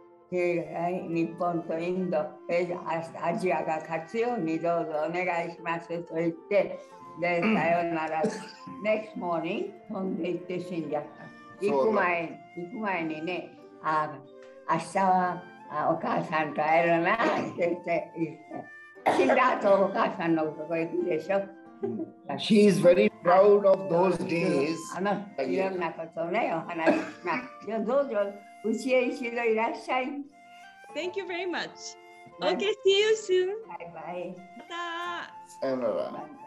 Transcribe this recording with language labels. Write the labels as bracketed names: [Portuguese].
[Japanese] で、日本とインド、アジアが勝つようにどうぞお願いしますと言って、で、さよなら。 [English] Next morning、 [Japanese] 飛んで行って死んじゃった。行く前にね、明日は、お母さんと会えるなって言って、死んだ後お母さんのとこ行くでしょ。 [English] She is very proud of those days. [Japanese] いろんなことをね、お話しします。どうぞ、うちへ一度いらっしゃい。 [English] Thank you very much. Okay, see you soon. Bye bye. [Japanese] また。さよなら。